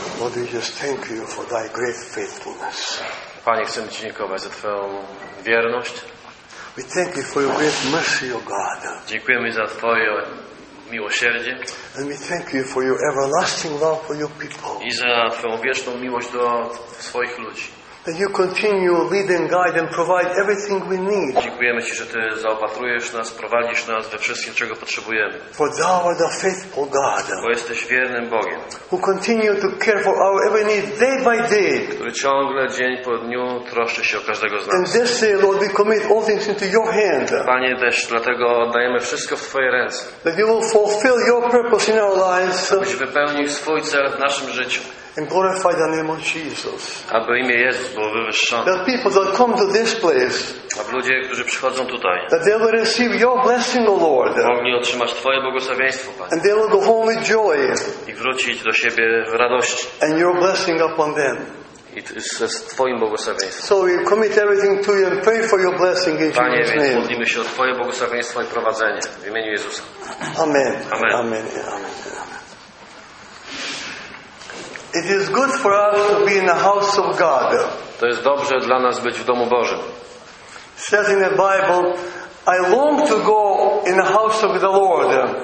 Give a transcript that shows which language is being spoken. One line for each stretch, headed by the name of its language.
English: Lord, we just thank you for thy great faithfulness.
Slovak: Pane, chcem ti ďakovať za tvoju viernosť.
English: We thank you for your great mercy, O God.
Slovak: Ďakujeme za tvoje milosrdie.
English: And we thank you for your everlasting love for your people.
Slovak: I za tvoju večnú milosť do svojich ľudí.
English: That you continue leading, guide and provide everything we need.
Slovak: Ďakujeme ti, že ty zaopatruješ nás, provádiš nás ve všetkým, čo potrebujeme.
English: For thou art a faithful God.
Polish: Bo jesteś wiernym Bogiem.
English: Who continue to care for our every need day by day.
Polish: Ktorý ciągle dzień po dniu troszczy się o każdego z nas.
English: And this day, Lord, we commit all things into your hand.
Polish: Panie, też dlatego oddajemy wszystko w twoje ręce.
English: That you will fulfill your purpose in our lives.
Polish: Abyś wypełnił swój cel w naszym życiu.
English: And glorify the name of Jesus.
Polish: Aby imię Jezus było wywyższone.
English: That people that come to this place.
Polish: Aby ludzie, którzy przychodzą tutaj.
English: That they will receive your blessing, O Lord.
Polish: Mogli otrzymać twoje błogosławieństwo, Panie.
English: And they will go home with joy.
Polish: I wrócić do siebie w radości.
English: And your blessing upon them.
Polish: I z twoim błogosławieństwem.
English: So we commit everything to you and pray for your blessing in
Polish: Panie,
English: Jesus' name.
Polish: Panie, modlimy się o twoje błogosławieństwo i prowadzenie w imieniu Jezusa. Amen. Amen. Amen. Amen.
English: It is good for us to be in the house of God.
Polish: To jest dobrze dla nas być w domu Bożym.
English: It says in the Bible, I long to go in the house of the Lord.